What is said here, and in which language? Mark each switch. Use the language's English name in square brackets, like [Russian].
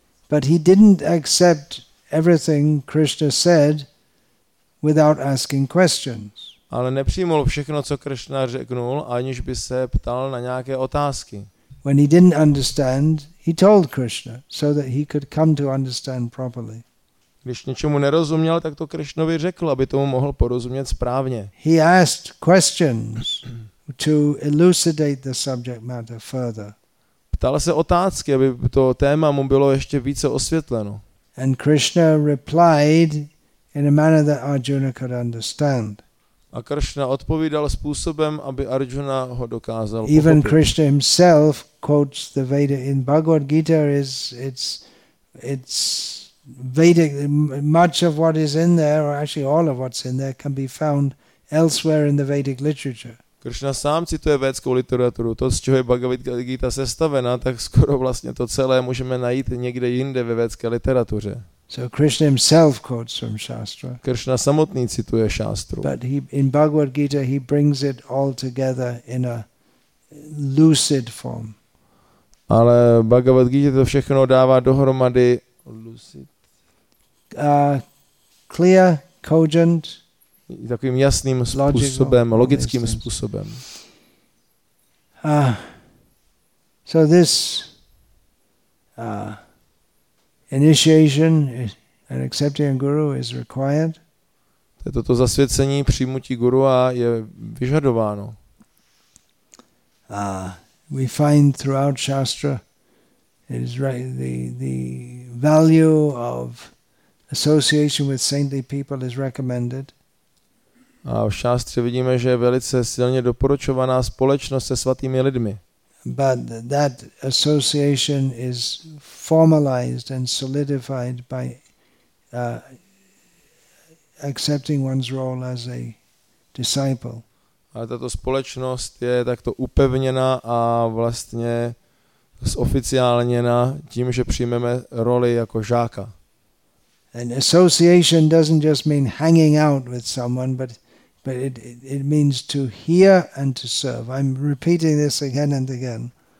[English] But he didn't accept everything Krishna said without asking questions. [Czech] Ale nepřijmul všechno, co Krishna řeknul, aniž by se ptal na nějaké otázky. [English] When he didn't understand, he told Krishna so that he could come to understand properly. [Czech] Když něčemu nerozuměl, tak to Krishnovi řekl, aby tomu mohl porozumět správně. [English] He asked questions to elucidate the subject matter further. [Czech] Ptal se otázky, aby to téma mu bylo ještě více osvětleno. [English] And Krishna replied in a manner that Arjuna could understand. [Czech] A Krishna odpovídal způsobem, aby Arjuna ho dokázal pochopit. [English] Even Krishna himself quotes the Veda in Bhagavad Gita is it's Vedic, much of what is in there, or actually all of what's in there, can be found elsewhere in the Vedic literature. [Czech] Krishna sám cituje védskou literaturu, to, z čeho je Bhagavad Gita sestavena, tak skoro vlastně to celé můžeme najít někde jinde ve védské literatuře. [English] So Krishna himself quotes from Shastra. [Czech] Krishna samotný cituje šástru. [English] But he, in Bhagavad Gita he brings it all together in a lucid form. [Czech] Ale Bhagavad Gita to všechno dává dohromady lucid. [English] Clear, cogent. [Czech] Takovým jasným způsobem, logickým způsobem. [English] So this initiation and accepting a guru is required. [Czech] Toto zasvěcení, přijmutí gurua je vyžadováno. [English] We find throughout Shastra it is right, the value of association with saintly people is recommended. [Czech] A v Šástře vidíme, že je velice silně doporučovaná společnost se svatými lidmi. [English] But that association is formalized and solidified by accepting one's role as a disciple. [Czech] Ale tato společnost je takto upevněna a vlastně zoficiálněna tím, že přijmeme roli jako žáka. [English] An association doesn't just mean hanging out with someone, but it means to hear and to serve. I'm repeating this again and again.